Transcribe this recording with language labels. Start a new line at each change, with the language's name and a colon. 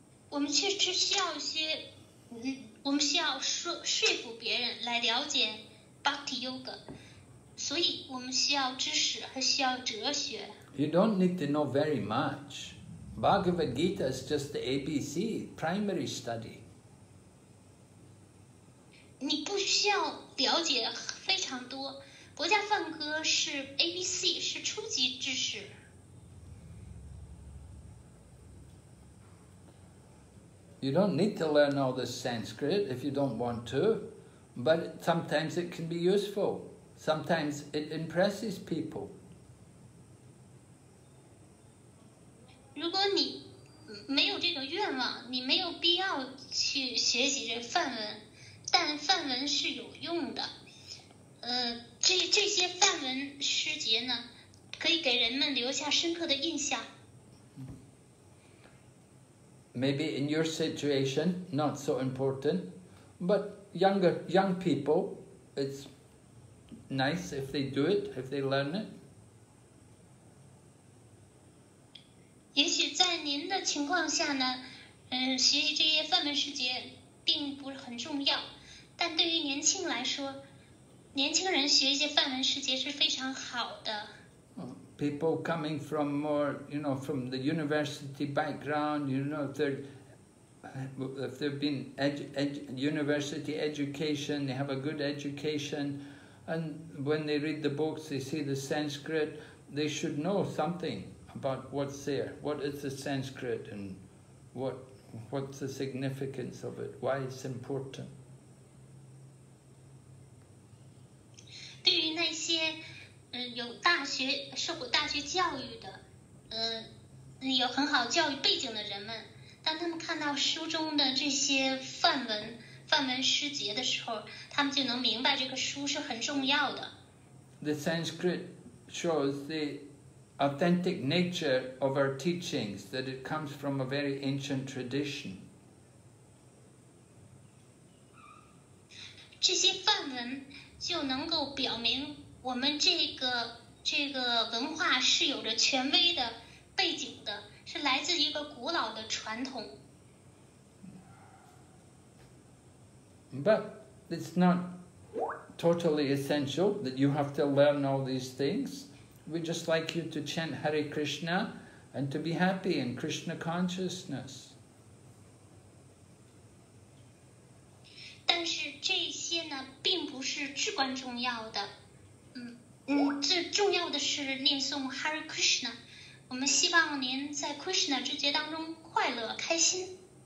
Chinese: 我们确实需要一些，我们需要说服别人来了解 Bhakti Yoga， 所以我们需要知识，还需要哲学。
English: You don't need to know very much. Bhagavad Gita is just the ABC, primary study.
Chinese: 你不需要了解非常多，博伽梵歌是 ABC， 是初级知识。
English: You don't need to learn all this Sanskrit if you don't want to, but sometimes it can be useful. Sometimes it impresses people.
Chinese: 如果你没有这个愿望，你没有必要去学习这梵文，但梵文是有用的。这些梵文诗节呢，可以给人们留下深刻的印象。
English: Maybe in your situation, not so important, but young people, it's nice if they do it, if they learn it.
Chinese: 也许在您的情况下呢，学习这些梵文诗节并不是很重要，但对于年轻来说，年轻人学一些梵文诗节是非常好的。
English: People coming from more, you know, from the university background, you know, if they've been university education, they have a good education, and when they read the books, they see the Sanskrit, they should know something about what's there. What is the Sanskrit and what's the significance of it? Why it's important?
Chinese: 对于那些有大学受过大学教育的，有很好教育背景的人们，当他们看到书中的这些梵文诗节的时候，他们就能明白这个书是很重要的。
English: The Sanskrit shows the authentic nature of our teachings, that it comes from a very ancient tradition.
Chinese: 这些梵文就能够表明我们这个文化是有着权威的背景的，是来自一个古老的传统。
English: But it's not totally essential that you have to learn all these things. We just like you to chant Hare Krishna and to be happy in Krishna consciousness.
Chinese: 但是这些呢，并不是至关重要的。这重要的是念诵 Hare Krishna， 我们希望您在 Krishna 之节当中快乐开心。